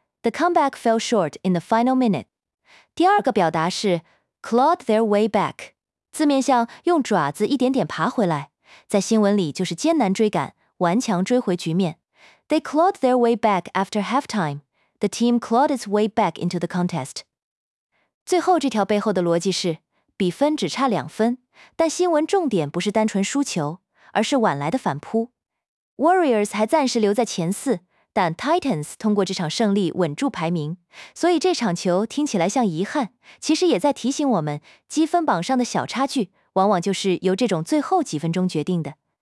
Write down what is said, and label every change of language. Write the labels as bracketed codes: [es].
[en] The comeback fell short in the final minute. [zh] 第二个表达是 [en] clawed their way back。 [zh] 字面上用爪子一点点爬回来，在新闻里就是艰难追赶，顽强追回局面。 [en] They clawed their way back after halftime. The team clawed its way back into the contest. [zh] 最后这条背后的逻辑是，比分只差两分，但新闻重点不是单纯输球，而是晚来的反扑。Warriors 还暂时留在前四，但 Titans 通过这场胜利稳住排名，所以这场球听起来像遗憾，其实也在提醒我们，积分榜上的小差距往往就是由这种最后几分钟决定的。